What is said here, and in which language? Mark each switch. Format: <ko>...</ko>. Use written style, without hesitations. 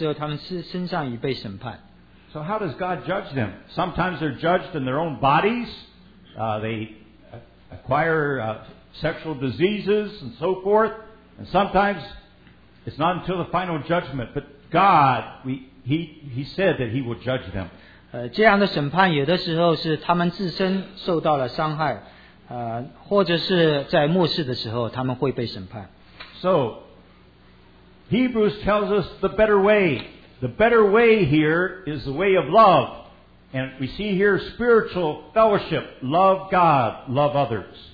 <zh>神警告我们，他会审判他们，有的时候他们身上已被审判。</zh> <en>So how does God judge them? Sometimes they're judged in their own bodies. They acquire sexual diseases and so forth, and sometimes it's not until the final judgment. But God, He said that He will judge them.</en> <zh>这样的审判有的时候是他们自身受到了伤害，或者是在末世的时候他们会被审判。</zh> <en>So Hebrews tells us the better way. The better way here is the way of love. And we see here spiritual fellowship, love God, love others.</en>